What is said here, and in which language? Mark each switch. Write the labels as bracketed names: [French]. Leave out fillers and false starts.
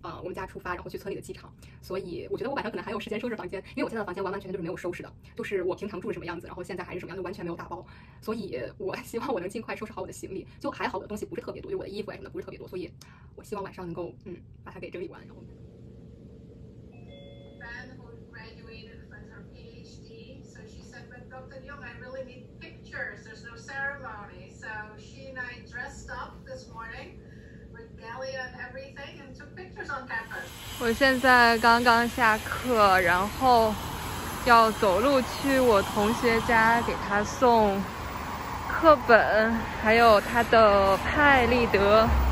[Chinese] 我们家出发，然后去村里的机场，所以我觉得我晚上可能还有时间收拾房间，因为我现在的房间完完全全就是没有收拾的，就是我平常住是什么样子，然后现在还是什么样，就完全没有打包，所以我希望我能尽快收拾好我的行李，就还好我的东西不是特别多，就我的衣服什么的不是特别多，所以我希望晚上能够把它给整理完，然后。 [English] Friend who graduated with her PhD, so she said, but Dr. Young, I really need pictures, there's no ceremony. So she and I dressed up this morning with regalia and everything and took pictures on campus. [Chinese] 我现在刚刚下课，然后要走路去我同学家给他送课本，还有他的派立得。